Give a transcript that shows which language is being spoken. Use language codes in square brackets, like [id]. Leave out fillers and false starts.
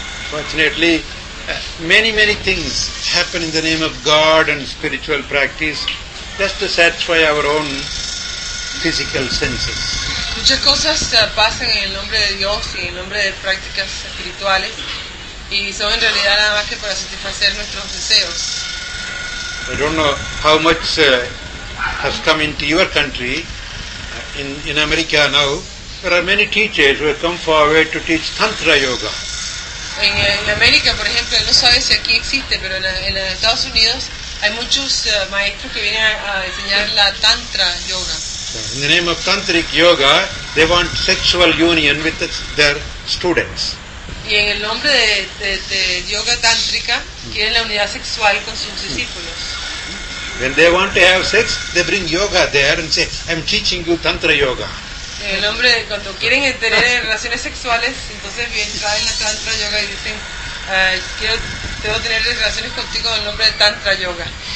[en] Fortunately, many, many things happen in the name of God and spiritual practice just to satisfy our own physical senses. [es] Muchas cosas pasan en el nombre de Dios y en el nombre de prácticas espirituales y son en realidad nada más que para satisfacer nuestros deseos. [en] I don't know how much has come into your country. In America now, there are many teachers who have come forward to teach Tantra Yoga. [es] En América, por ejemplo, no sabes si aquí existe, pero en Estados Unidos hay muchos maestros que vienen a enseñar la Tantra Yoga. [en] In the name of Tantric Yoga, they want sexual union with their students. [es] Y en el nombre de yoga tántrica, quieren la unidad sexual con sus discípulos. [en] When they want to have sex, they bring yoga there and say, "I'm teaching you Tantra Yoga." [es] En el nombre de cuando quieren tener relaciones sexuales, entonces vienen, traen la Tantra Yoga y dicen, tengo que tener relaciones contigo en el nombre de Tantra Yoga.